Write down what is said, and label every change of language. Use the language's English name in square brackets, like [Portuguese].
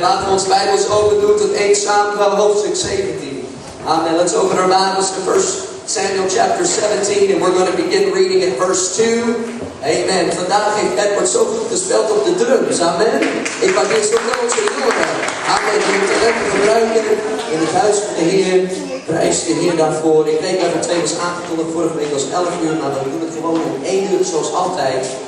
[Dutch] Laten we ons Bijbels open doen tot 1 Samuel hoofdstuk 17. [English] Amen. Let's open our Bibles to 1 Samuel chapter 17. And we're going to begin reading in verse 2. Amen. [Dutch] Vandaag heeft Edward zo goed gespeeld op de drums. Amen. Ik mag dit zo goed te horen. Amen. Je moet het lekker gebruiken in het huis van de Heer. Prijs de Heer daarvoor. Ik denk dat het twee was aangekondigd vorige week als 11 uur. Maar dan doen we het gewoon om 1 uur zoals altijd.